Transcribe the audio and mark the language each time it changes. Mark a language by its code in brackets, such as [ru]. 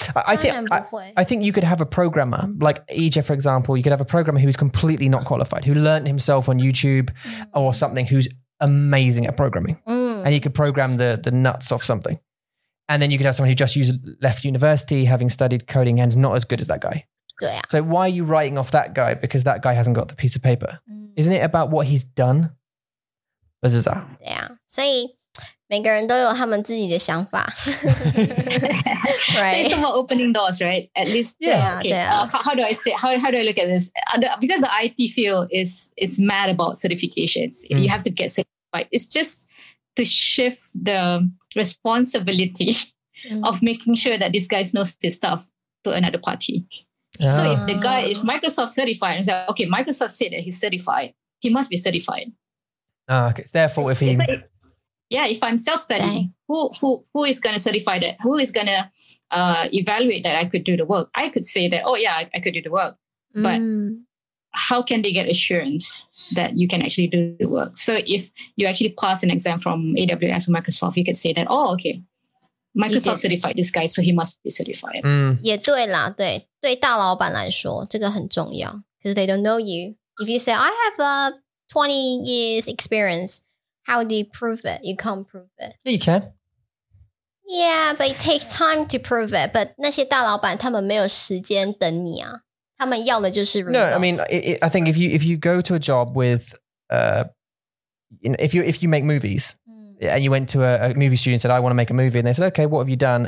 [en] I think you could have a programmer, like EJ, for example, you could have a programmer who is completely not qualified, who learned himself on YouTube or something, who's amazing at programming. And he could program the nuts off something. And then you could have someone who just left university, having studied coding, and is not as good as that guy. So why are you writing off that guy? Because that guy hasn't got the piece of paper. Isn't it about what he's done? [zh] 不是啊。每个人都有他们自己的想法 [en] right? It's somewhat opening doors, right? At least, how do I look at this? Because the IT field is mad about certifications. Mm. You have to get certified. It's just to shift the responsibility of making sure that this guy knows his stuff to another party. So if the guy is Microsoft certified, and say, okay, Microsoft said that he's certified, he must be certified. Okay. Therefore, if he... Yeah, if I'm self-studying, who is going to certify that? Who is going to evaluate that I could do the work? I could say that, oh yeah, I could do the work. But how can they get assurance that you can actually do the work? So if you actually pass an exam from AWS or Microsoft, you could say that, oh, okay, Microsoft certified this guy, so he must be certified. [zh] 也对啦,对大老板来说,这个很重要. [en] Because they don't know you. If you say, I have a 20 years experience, how do you prove it? You can't prove it. Yeah, you can. Yeah, but it takes time to prove it. [zh] But 那些大老板他们没有时间等你啊，他们要的就是results. [en] No, I mean, I think if you go to a job with, if you make movies, and you went to a movie studio and said, I want to make a movie, and they said, okay, what have you done?